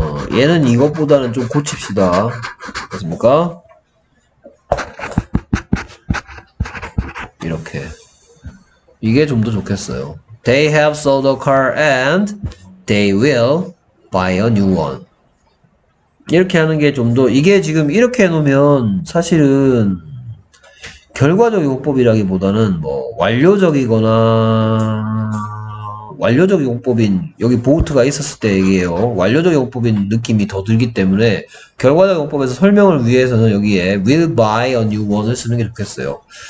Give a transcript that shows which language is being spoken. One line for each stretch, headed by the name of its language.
Korean: 얘는 이것보다는 좀 고칩시다. 됐습니까? 이렇게 이게 좀 더 좋겠어요.
English: They have sold a car and they will buy a new one.
Korean: 이렇게 하는 게 좀 더, 이게 지금 이렇게 해놓으면 사실은 결과적 용법이라기보다는 뭐 완료적이거나 완료적 용법인, 여기 보트가 있었을 때 얘기해요. 완료적 용법인 느낌이 더 들기 때문에 결과적 용법에서 설명을 위해서는 여기에 will buy a new one을 쓰는 게 좋겠어요.